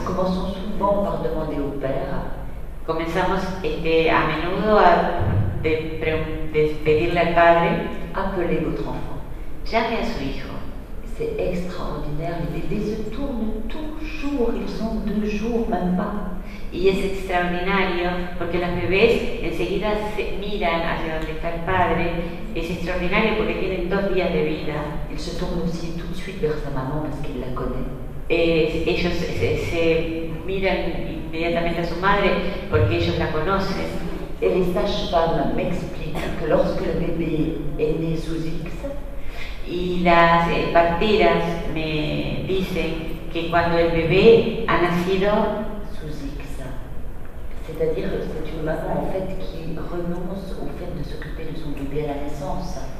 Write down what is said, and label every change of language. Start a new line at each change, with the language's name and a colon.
French: Commençons souvent par demander au père.
Spanish: Comenzamos a menudo a pedirle al padre.
French: Appelez votre enfant.
Spanish: Llame a su hijo.
French: C'est extraordinaire. Les bébés se tournent toujours. Ils ont deux jours, même pas.
Spanish: Y es extraordinario porque los bebés enseguida se miran hacia donde está el padre. Es extraordinario porque tienen dos días de vida.
French: Ils se tournent aussi tout de suite vers sa maman parce qu'il la connaît.
Spanish: Ellos se miran inmediatamente a su madre porque ellos la conocen.
French: Et les sages-femmes m'expliquent que lorsque le bébé est né sous X,
Spanish: y las parteras me dicen que cuando el bebé ha nacido
French: sous X, c'est-à-dire que c'est une maman en fait qui renonce au fait de s'occuper de son bébé à la naissance.